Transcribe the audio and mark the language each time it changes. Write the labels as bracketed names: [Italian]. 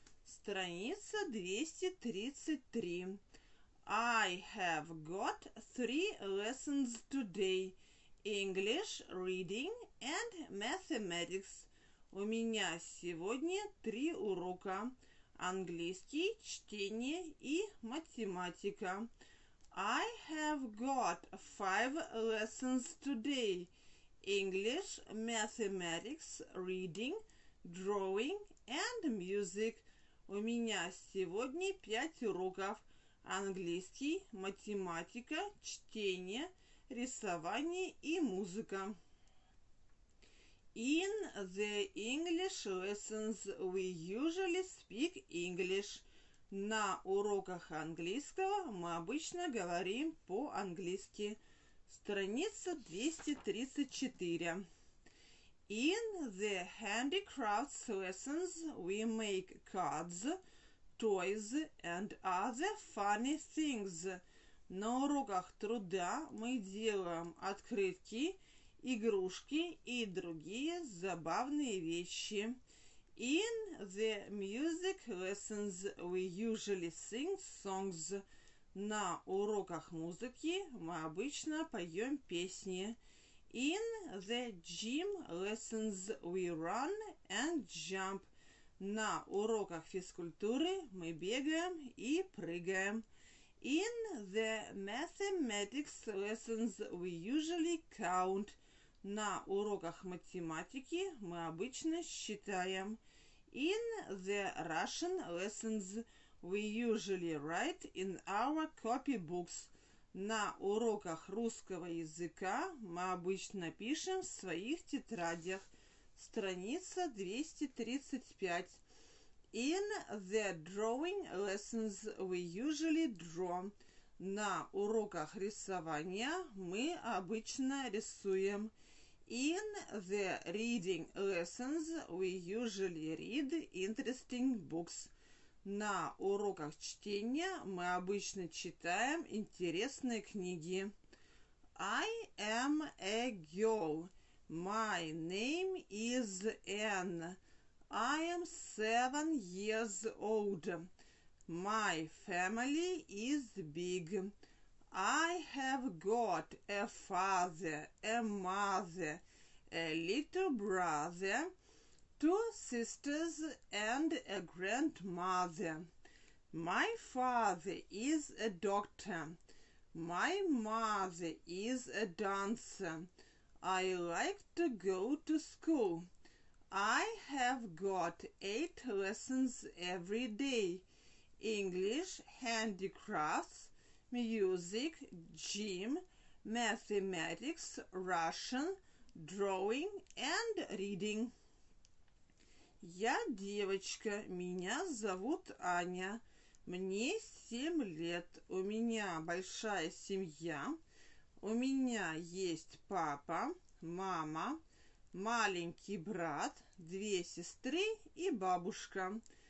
[Russian] Страница 233. [English] I have got 3 lessons today – English, reading and mathematics. [Russian] У меня сегодня 3 урока. Английский, чтение и математика. [English] I have got 5 lessons today. English, mathematics, reading, drawing and music. [Russian] У меня сегодня 5 уроков. Английский, математика, чтение, рисование и музыка. [English] In the English lessons we usually speak English. [Russian] На уроках английского мы обычно говорим по-английски. Страница 234. [English] In the handicrafts lessons we make cards, toys and other funny things. [Russian] На уроках труда мы делаем открытки, игрушки и другие забавные вещи. [English] In the music lessons we usually sing songs. [Russian] На уроках музыки мы обычно поем песни. [English] In the gym lessons we run and jump. [Russian] На уроках физкультуры мы бегаем и прыгаем. [English] In the mathematics lessons we usually count. [Russian] На уроках математики мы обычно считаем. [English] In the Russian lessons we usually write in our copybooks. [Russian] На уроках русского языка мы обычно пишем в своих тетрадях. страница 235. [English] In the drawing lessons we usually draw. [Russian] На уроках рисования мы обычно рисуем. [English] In the reading lessons we usually read interesting books. [Russian] На уроках чтения мы обычно читаем интересные книги. [English] I am a girl. My name is Anne. I am 7 years old. My family is big. I have got a father, a mother, a little brother, 2 sisters and a grandmother. My father is a doctor. My mother is a dancer. I like to go to school. I have got 8 lessons every day. English, handicrafts, music, gym, mathematics, Russian, drawing and reading. [Russian] Я девочка, меня зовут Аня. Мне 7 лет, у меня большая семья. У меня есть папа, мама, маленький брат, 2 сестры и бабушка.